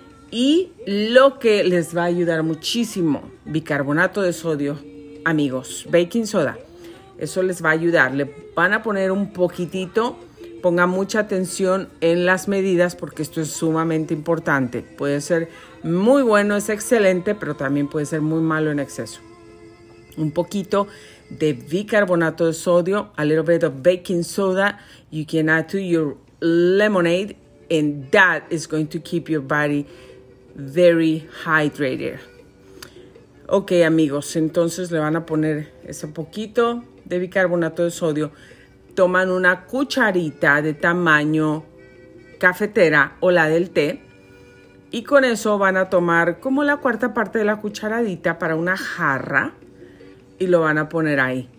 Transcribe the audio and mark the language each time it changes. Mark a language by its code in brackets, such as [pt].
[es] Y lo que les va a ayudar muchísimo, bicarbonato de sodio, amigos, baking soda. Eso les va a ayudar. Le van a poner un poquitito. Ponga mucha atención en las medidas porque esto es sumamente importante. Puede ser muy bueno, es excelente, pero también puede ser muy malo en exceso. Un poquito de bicarbonato de sodio, [en] a little bit of baking soda, you can add to your lemonade, and that is going to keep your body very hydrated. [es] Ok, amigos, entonces le van a poner ese poquito de bicarbonato de sodio. Toman una cucharita de tamaño cafetera o la del té y con eso van a tomar como la cuarta parte de la cucharadita para una jarra y lo van a poner ahí.